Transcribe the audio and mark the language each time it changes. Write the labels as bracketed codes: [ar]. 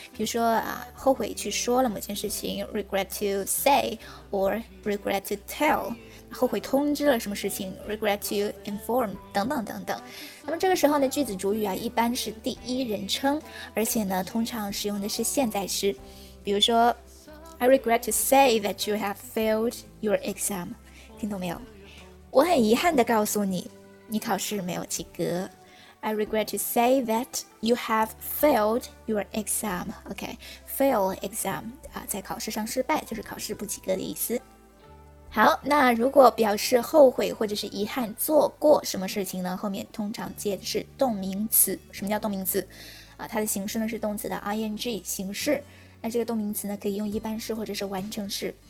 [zh] 比如说啊，后悔去说了某件事情 ， [en] regret to say， or regret to tell， [zh] 后悔通知了什么事情 ， [en] regret to inform， [zh] 等等等等。那么这个时候呢，句子主语啊，一般是第一人称，而且呢，通常使用的是现在时。比如说 [en] I regret to say that you have failed your exam， [zh] 听懂没有？我很遗憾地告诉你，你考试没有及格。 [en] I regret to say that you have failed your exam。 [zh] OK， fail exam、啊、在考试上失败就是考试不及格的意思。好，那如果表示后悔或者是遗憾做过什么事情呢，后面通常接的是动名词。什么叫动名词、啊、它的形式呢是动词的 ing 形式。那这个动名词呢可以用一般式或者是完成式。